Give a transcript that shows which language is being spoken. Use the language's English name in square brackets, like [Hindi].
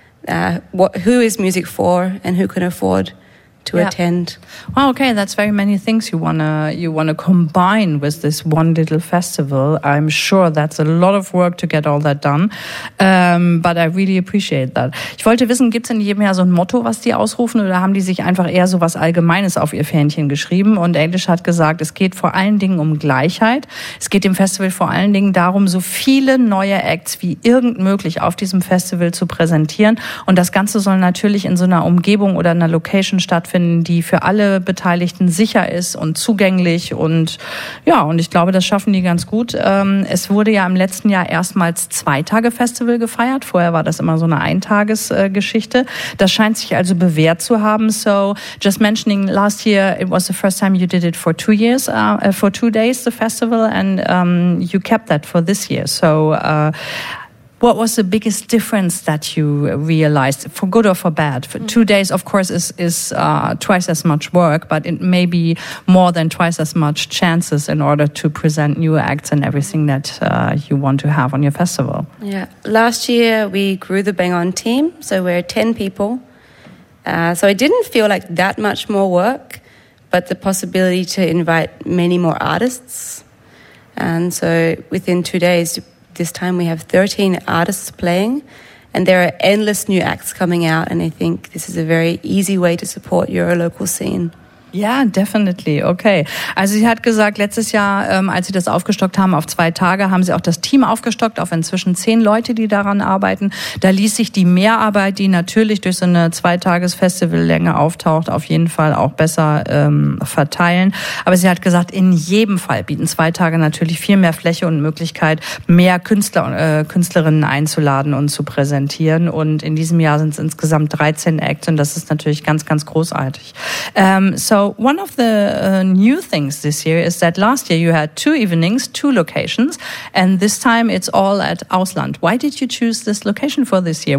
[English] Who is music for and who can afford to attend? Well, okay, that's very many things you wanna combine with this one little festival. I'm sure that's a lot of work to get all that done, but I really appreciate that. [German] Ich wollte wissen, gibt's in jedem Jahr so ein Motto, was die ausrufen, oder haben die sich einfach eher so was Allgemeines auf ihr Fähnchen geschrieben? Und Eilish hat gesagt, es geht vor allen Dingen um Gleichheit. Es geht dem Festival vor allen Dingen darum, so viele neue Acts wie irgend möglich auf diesem Festival zu präsentieren. Und das Ganze soll natürlich in so einer Umgebung oder einer Location stattfinden, die für alle Beteiligten sicher ist und zugänglich. Und ja, und ich glaube, das schaffen die ganz gut. Es wurde ja im letzten Jahr erstmals 2-Tage-Festival gefeiert. Vorher war das immer so eine Eintagesgeschichte. Das scheint sich also bewährt zu haben. [English] So, just mentioning last year, it was the first time you did it for 2 years, for 2 days, the festival, and you kept that for this year. So, What was the biggest difference that you realized, for good or for bad? For 2 days, of course, is twice as much work, but it may be more than twice as much chances in order to present new acts and everything that you want to have on your festival. Yeah. Last year, we grew the Bang On team, so we're 10 people. So it didn't feel like that much more work, but the possibility to invite many more artists. And so within 2 days, this time we have 13 artists playing, and there are endless new acts coming out, and I think this is a very easy way to support your local scene. Ja, definitely. Okay. [German] Also sie hat gesagt, letztes Jahr, als sie das aufgestockt haben auf 2 Tage, haben sie auch das Team aufgestockt auf inzwischen 10 Leute, die daran arbeiten. Da ließ sich die Mehrarbeit, die natürlich durch so eine 2-Tages-Festivallänge auftaucht, auf jeden Fall auch besser verteilen. Aber sie hat gesagt, in jedem Fall bieten 2 Tage natürlich viel mehr Fläche und Möglichkeit, mehr Künstler und Künstlerinnen einzuladen und zu präsentieren. Und in diesem Jahr sind es insgesamt 13 Acts, und das ist natürlich ganz, ganz großartig. [English] So one of the new things this year is that last year you had 2 evenings, 2 locations, and this time it's all at Ausland. Why did you choose this location for this year?